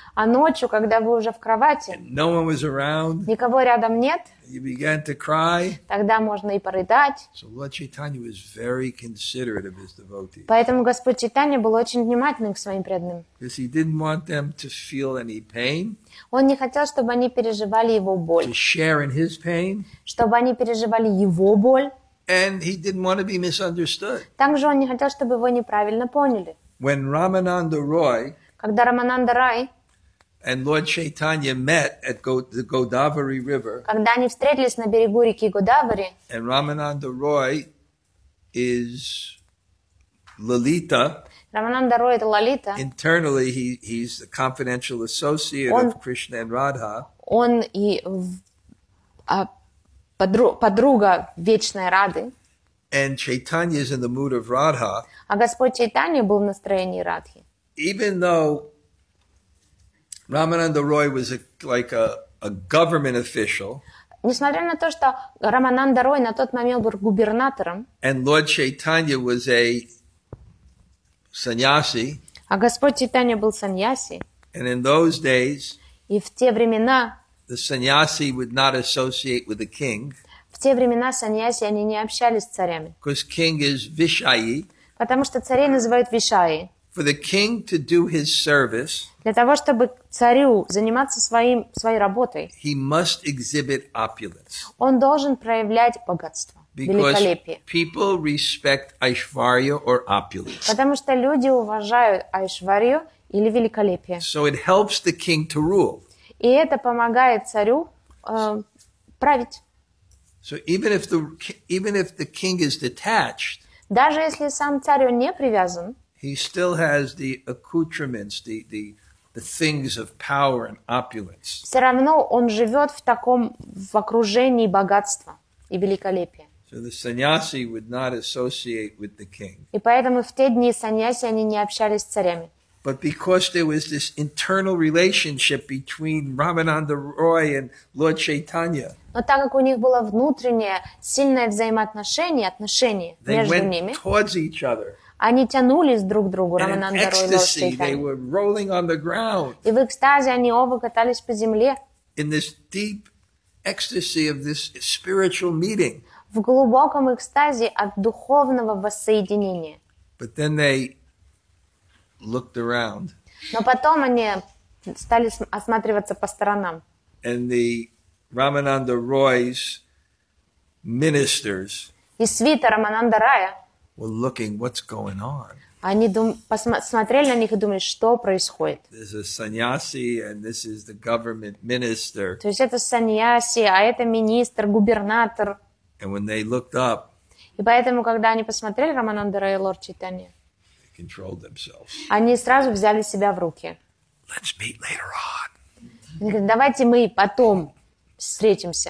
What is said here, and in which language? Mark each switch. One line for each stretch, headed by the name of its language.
Russian: А ночью, когда вы уже в кровати.
English: And no one was around.
Russian: Никого рядом нет.
English: You began to cry.
Russian: Тогда можно и порыдать.
English: So Lord Chaitanya was very considerate of his devotees.
Russian: Поэтому Господь Чайтанья был очень внимательным к своим преданным.
English: Because he didn't want them to feel any pain.
Russian: Он не хотел, чтобы они переживали его боль.
English: To share in his pain.
Russian: Чтобы они переживали его боль.
English: And he didn't want to be misunderstood.
Russian: Также он не хотел, чтобы его неправильно поняли.
English: When Ramananda Roy,
Russian: когда Рамананда Рай,
English: and Lord Chaitanya met at the Godavari River,
Russian: когда они встретились на берегу реки Годавари,
English: and Ramananda Roy is Lalita.
Russian: Рамананда Рой это Лалита.
English: Internally, he's the confidential associate of Krishna and Radha.
Russian: Он и подруга вечной Рады.
English: And Chaitanya is in the mood of Radha.
Russian: А Господь Чайтанья был в настроении Радхи.
English: Even though Ramananda Roy was a government official.
Russian: Несмотря на то, что Рамананда Рой на тот момент был губернатором.
English: And Lord Chaitanya was a sannyasi.
Russian: А Господь Чайтанья был саньяси.
English: And in those days.
Russian: И в те времена.
English: The sannyasi would not associate with the king.
Russian: В те времена саньяси они не общались с царями.
English: Because king is vishayi.
Russian: Потому что царей называют вишаи.
English: For the king to do his service,
Russian: для того, чтобы царю заниматься своей работой,
English: he must exhibit opulence.
Russian: Он должен проявлять богатство,
English: because
Russian: великолепие.
English: People respect Aishwarya or opulence.
Russian: Потому что люди уважают Айшварью или великолепие.
English: So it helps the king to rule.
Russian: И это помогает царю править.
English: So even if the king is detached,
Russian: даже если сам царь он не привязан,
English: he still has the accoutrements, the things of power and opulence.
Russian: Все равно он живет в таком в окружении богатства и великолепия.
English: So the sannyasi would not associate with the king.
Russian: И поэтому в те дни саньяси они не общались с царями.
English: But because there was this internal relationship between Ramananda Roy and Lord Chaitanya.
Russian: Но так как у них было внутреннее сильное взаимоотношение, отношения между ними,
English: towards each other.
Russian: Они тянулись друг к другу, Рамананда Рой и Лорд Чайтанья.
English: They were rolling on the ground.
Russian: И в экстазе они оба катались по земле.
English: In this deep ecstasy of this spiritual meeting.
Russian: В глубоком экстазе от духовного воссоединения.
English: But then they looked around.
Russian: Но потом они стали осматриваться по сторонам.
English: And the Ramananda Roy's ministers.
Russian: И свита Рамананда Рая.
English: Were looking what's going on.
Russian: Они посмотрели на них и думали, что происходит.
English: This is sannyasi and this is the government minister.
Russian: То есть это саньяси, а это министр, губернатор.
English: And when they looked up.
Russian: И поэтому, когда они посмотрели Рамананда Рая и Лорд Чайтанья.
English: Controlled themselves.
Russian: Они сразу взяли себя в руки.
English: Let's meet later on.
Russian: Давайте мы потом встретимся.